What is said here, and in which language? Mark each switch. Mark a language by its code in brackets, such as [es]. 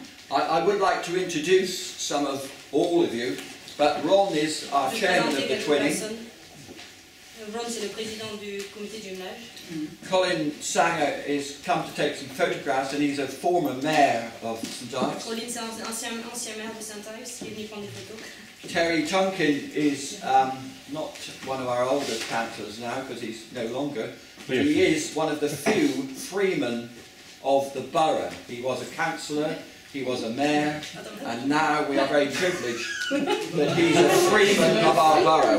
[en] I would like to introduce some of all of you, but Ron is our chairman of the twinning. [fr] Ron, c'est le président du comité du jumelage. [en] Colin Sanger is come to take some photographs, and he's a former mayor of St Ives. [fr] Colin, c'est ancien maire de St Ives, qui est venu prendre des photos. [en] Terry Tonkin is not one of our oldest councillors now, because he's no longer. But he is one of the few freemen of the borough. He was a councillor, he was a mayor, and now we are very privileged that he's a freeman of our borough.